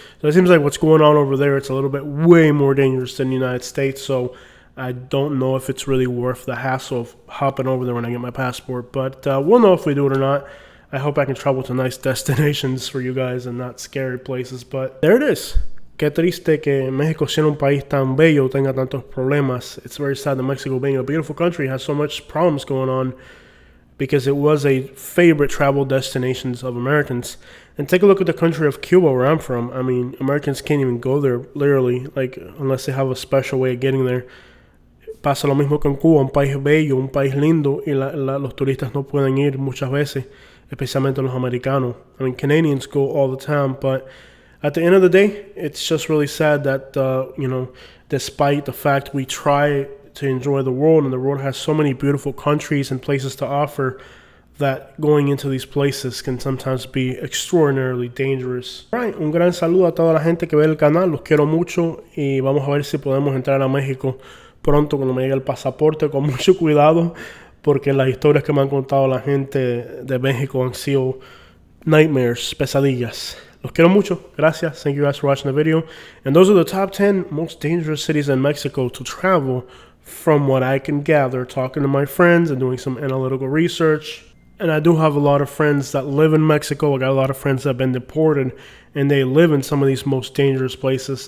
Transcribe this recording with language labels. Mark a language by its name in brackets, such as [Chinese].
[English] So it seems like what's going on over there, it's a little bit way more dangerous than the United States. So I don't know if it's really worth the hassle of hopping over there when I get my passport, but we'll know if we do it or not. I hope I can travel to nice destinations for you guys and not scary places, but there it is. [Spanish] Qué triste que México siendo un país tan bello tenga tantos problemas. [English] It's very sad that Mexico, being a beautiful country, has so much problems going on, because it was a favorite travel destination of Americans. And take a look at the country of Cuba, where I'm from. I mean, Americans can't even go there, literally, like, unless they have a special way of getting there. [Spanish] pasa lo mismo con Cuba, un país bello, un país lindo, y los turistas no pueden ir muchas veces, especialmente los americanos. [English] I mean, Canadians go all the time, but at the end of the day, it's just really sad that, you know, despite the fact we try to enjoy the world, and the world has so many beautiful countries and places to offer, that going into these places can sometimes be extraordinarily dangerous. [Spanish] Right, un gran saludo a toda la gente que ve el canal, los quiero mucho, y vamos a ver si podemos entrar a México pronto cuando me llegue el pasaporte, con mucho cuidado, porque las historias que me han contado la gente de México han sido nightmares, pesadillas. Los quiero mucho, gracias, [English] thank you guys for watching the video. And those are the top 10 most dangerous cities in Mexico to travel, from what I can gather, talking to my friends and doing some analytical research. And I do have a lot of friends that live in Mexico. I got a lot of friends that have been deported, and they live in some of these most dangerous places.